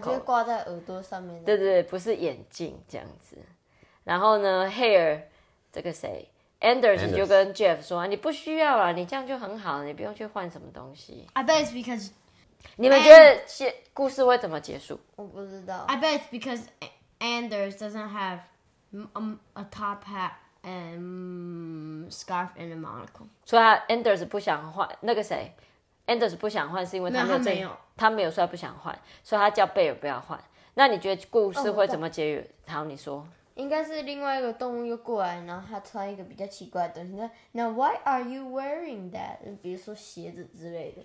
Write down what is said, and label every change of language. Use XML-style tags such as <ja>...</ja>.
<zh>就挂在耳朵上面。对对对，不是眼镜这样子。然后呢 ，hair 这个谁 ，Anders 就跟 Jeff 说、啊：“你不需要啦，你这样就很好，你不用去换什么东西。”</zh> <en>I bet it's because.</en> <zh>你们觉得故事会怎么结束？我不知道。</zh> <en>I bet it's because Anders doesn't have a top hat and scarf and a monocle.</en> <zh>所以 Anders 不想换那个谁 ，Anders 不想换是因为他没有，他没有说他不想换，所以他叫贝尔不要换。那你觉得故事会怎么结束？好，你说。应该是另外一个动物又过来，然后他穿一个比较奇怪的东西。那</zh> <en>why are you wearing that？</en> <zh>比如说鞋子之类的。</zh>